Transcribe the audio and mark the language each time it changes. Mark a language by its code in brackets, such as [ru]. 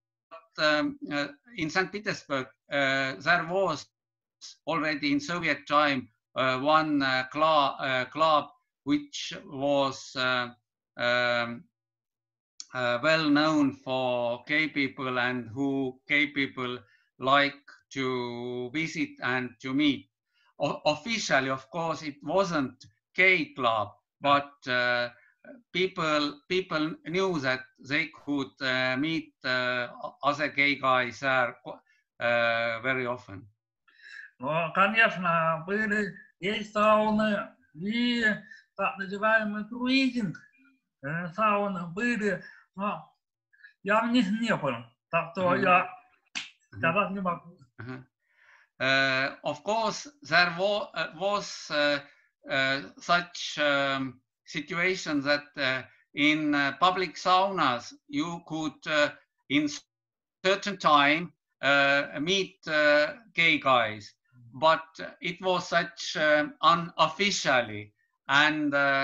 [en] But in St. Petersburg, there was already in Soviet time one club which was well known for gay people and who gay people like to visit and to meet. Officially, of course, it wasn't gay club, but people knew that they could meet other gay guys there very often. [ru] Но, конечно, были есть сауны и так называемый круизинг. Сауны были, но я в них не был. Так что я сказать не могу. [en] Of course, there was such situation that in public saunas you could in certain time meet gay guys, but it was such unofficially, and